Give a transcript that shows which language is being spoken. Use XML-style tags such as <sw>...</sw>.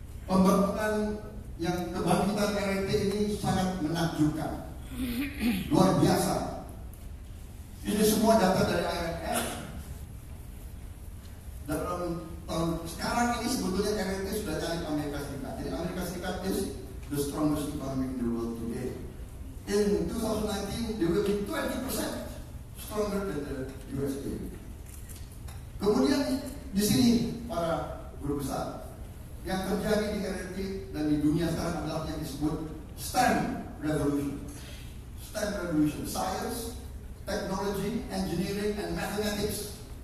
<id>Pembangunan yang kebangkitan RRT ini sangat menakjubkan, luar biasa. Ini semua data dari IMF. Dalam tahun sekarang ini sebetulnya RRT sudah calon Amerika Serikat.</id> <en>Jadi Amerika Serikat is the strongest economy in the world today. In 2019, they will be 20% stronger than the USA.</en> <id>Kemudian di sini para guru besar, yang terjadi di RRT dan di dunia sekarang adalah yang disebut STEM Revolution.</id> <en>STEM Revolution, Science, Technology, Engineering, and Mathematics.</en>